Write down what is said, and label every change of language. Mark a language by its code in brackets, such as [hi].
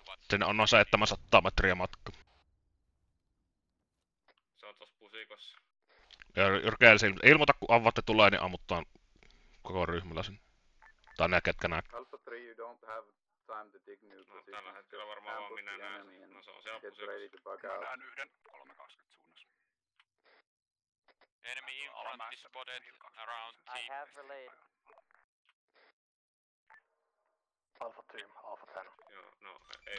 [fi] Sen on noin 700 metriä matka. Se on tossa pusikossa. Ilmoita kun avatte tulee, niin ammutaan koko ryhmällä sen. Tai ne ketkä näkee. [en] Alpha 3, you don't have time to dig new positions. [fi] No tällä hetkellä varmaan vaan minä näen. No se on siellä pusikossa. Mä näen yhden 320 suunnassa. [en] Enemy infantry spotted around the... I have relayed. Alpha team, Alpha 10. [fi] Joo, no, ei